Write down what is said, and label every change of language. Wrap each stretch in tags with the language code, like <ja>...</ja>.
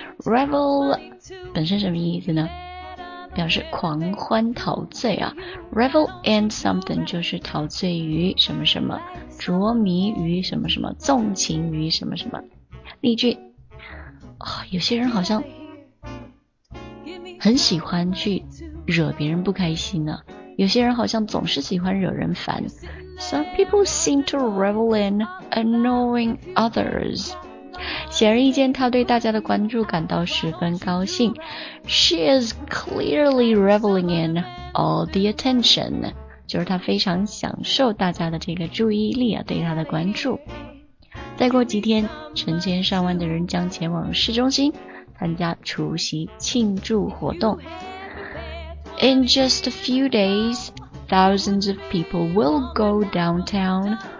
<zh>Revel 本身什么意思呢？表示狂欢陶醉啊 ，revel in something 就是陶醉于什么什么，着迷于什么什么，纵情于什么什么。例句、有些人好像很喜欢去惹别人不开心呢、有些人好像总是喜欢惹人烦。</zh> <en>Some people seem to revel in annoying others.</en> <zh>显而易见，他对大家的关注感到十分高兴。</zh> <en>She is clearly reveling in all the attention.</en> <zh>就是他非常享受大家的这个注意力啊，对他的关注。再过几天，成千上万的人将前往市中心参加除夕庆祝活动。</zh> <en>In just a few days, thousands of people will go downtown.</en>